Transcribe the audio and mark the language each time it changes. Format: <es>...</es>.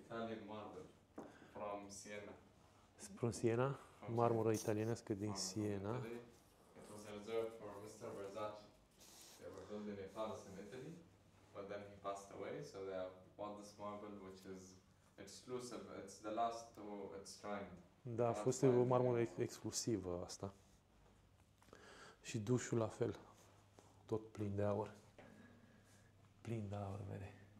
<en>This one has the Italian marble from Siena. From Siena?</en> <ro>Marmură italienescă din Siena.</ro> <en>It was reserved for Mr. Versace. They were building a palace in Italy, but then he passed away, so they have bought this marble, which is exclusive. It's the last of its kind.</en> <ro>Da, a fost o marmură exclusivă asta. Și dușul la fel. Tot plin de aur. Plin de aur, vede.</ro>